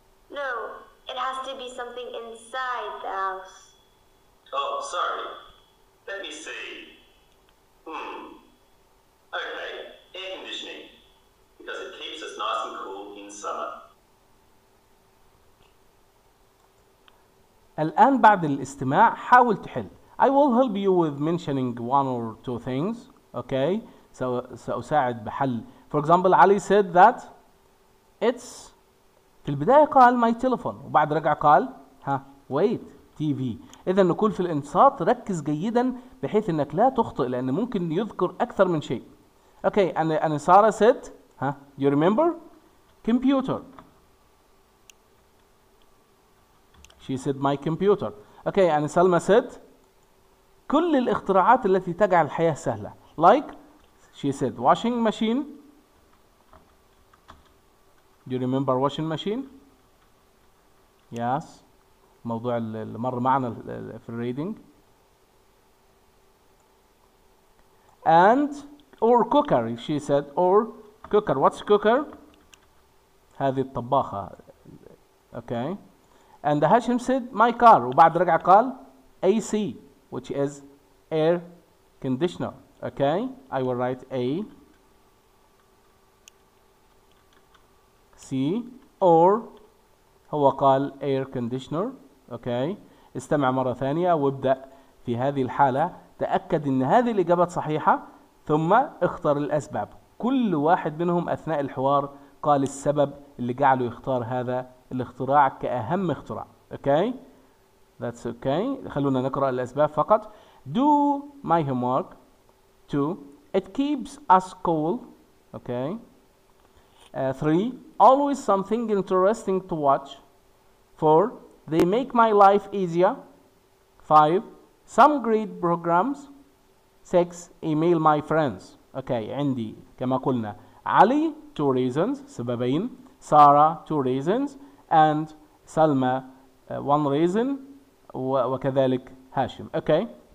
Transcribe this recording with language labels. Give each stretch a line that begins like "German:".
English: No, it has to be something inside the house. Oh, sorry. Let me see. Okay, air conditioning. Because it keeps us nice and cool in summer.
Arabic: الآن بعد الاستماع حاول تحل.
English: I will help you with mentioning one or two things. Okay, so
Arabic: سأساعد بحل.
English: For example, Ali said that it's
Arabic: في البداية قال
English: my telephone
Arabic: وبعد رجع قال ها
English: wait TV.
Arabic: إذا نقول في الإنصات ركز جيدا بحيث أنك لا تخطئ لأن ممكن يذكر أكثر من شيء.
English: Okay, and Sarah said ها you remember computer. She said my computer. Okay, and Salma said
Arabic: كل الاختراعات التي تجعل الحياة سهلة.
English: Like, she said, washing machine. Do you remember washing machine? Yes.
Arabic: موضوع اللي مر معنا في الريدنج.
English: And, or cooker, she said, or cooker. What's cooker?
Arabic: هذه الطباخة.
English: Okay. And Hashim said, my car.
Arabic: وبعد رجع قال,
English: AC, which is air conditioner. Okay, I will write A, C, or
Arabic: هو قال
English: air conditioner.
Arabic: Okay, استمع مرة ثانية وابدأ في هذه الحالة. تأكد أن هذه الإجابة صحيحة ثم اختر الأسباب. كل واحد منهم أثناء الحوار قال السبب اللي جعله يختار هذا الاختراع كأهم اختراع.
English: Okay, that's okay.
Arabic: خلونا نقرأ الأسباب فقط.
English: Do my homework. Two, it keeps us cool. Okay. Three, always something interesting to watch. Four, they make my life easier. Five, some great programs. Six, email my friends.
Arabic: Okay, عندي كما قلنا علي
English: two reasons,
Arabic: سببين.
English: Sarah two reasons and Salma one reason
Arabic: وكذلك هاشم.
English: Okay.